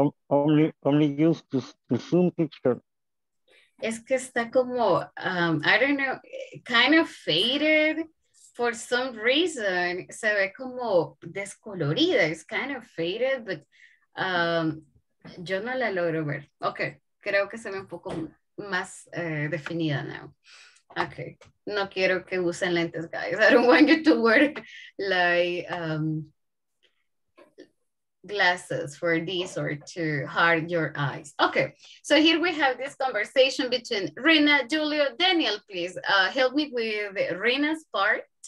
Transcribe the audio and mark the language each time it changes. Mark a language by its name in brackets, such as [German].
[English] Only use the Zoom picture. [Spanish] Es que está como, [English] I don't know, kind of faded for some reason. [Spanish] Se ve como descolorida. [English] It's kind of faded, but [Spanish] yo no la logro ver. Okay, creo que se ve un poco más definida now. Okay, no quiero que usen lentes, guys. [English] I don't want you to wear like glasses for this or to hard your eyes. Okay, so here we have this conversation between Rina, Julio, Daniel, please help me with Rina's part.